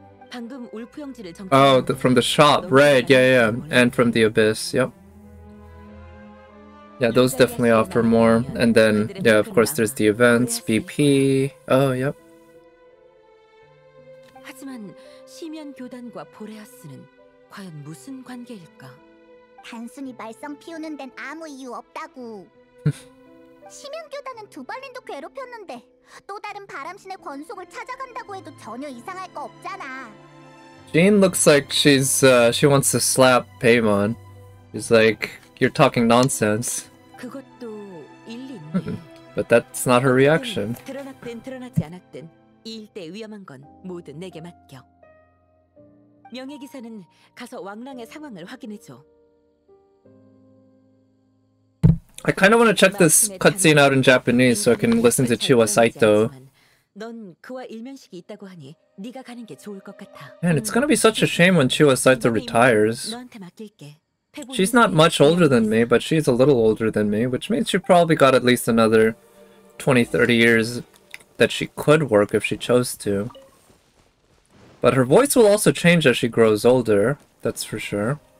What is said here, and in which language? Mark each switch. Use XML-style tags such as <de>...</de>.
<en>From the shop, right, yeah, and from the Abyss, yep. Yeah, those definitely offer more, and then, yeah, of course there's the events, BP, oh, yep.</en> <ko>하지만 시면 교단과 보레아스는 과연 무슨 관계일까? 단순히 말썽 피우는 데는 아무 이유 없다고. 시면 교단은 두발린도 괴롭혔는데 또 다른 바람신의 권속을 찾아간다고 해도 전혀 이상할 거 없잖아.</ko> <en>Jean looks like she wants to slap Paimon. She's like, you're talking nonsense.</en> <ko>그것도 일리 있네.</ko> <en>But that's not her reaction.</en> <ko>드러났든 드러나지 않았든. 이 일대 위험한 건 모두 내게 맡겨. 명예 기사는 가서 왕랑의 상황을 확인해 줘.</ko> <en>I kind of want to check this cutscene out in Japanese so I can listen to Chiwa Saito.</en> <ko>넌 그와 일면식이 있다고 하니 네가 가는 게 좋을 것 같아.</ko> <en>Man, it's gonna be such a shame when Chiwa Saito retires.</en> <ko>너한테 맡길게.</ko> <en>She's not much older than me, but she's a little older than me, which means she probably got at least another 20-30 years. That she could work if she chose to. But her voice will also change as she grows older, that's for sure.</en>